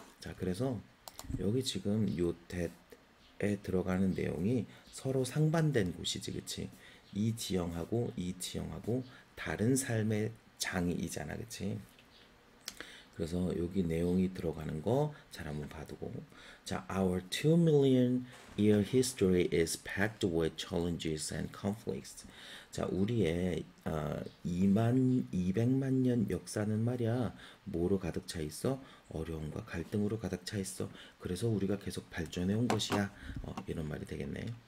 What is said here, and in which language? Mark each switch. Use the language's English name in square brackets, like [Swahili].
[Korean] 자, 그래서 여기 지금 요 that에 들어가는 내용이 서로 상반된 곳이지, 그치? 이 지형하고 이 지형하고 다른 삶의 장이잖아, 그치? 그래서 여기 내용이 들어가는 거잘 한번 봐두고. [English] 자, Our 2 million year history is packed with challenges and conflicts. [Korean] 자, 우리의 2200만 년 역사는 말이야, 뭐로 가득 차 있어? 어려움과 갈등으로 가득 차 있어. 그래서 우리가 계속 발전해 온 것이야. 이런 말이 되겠네.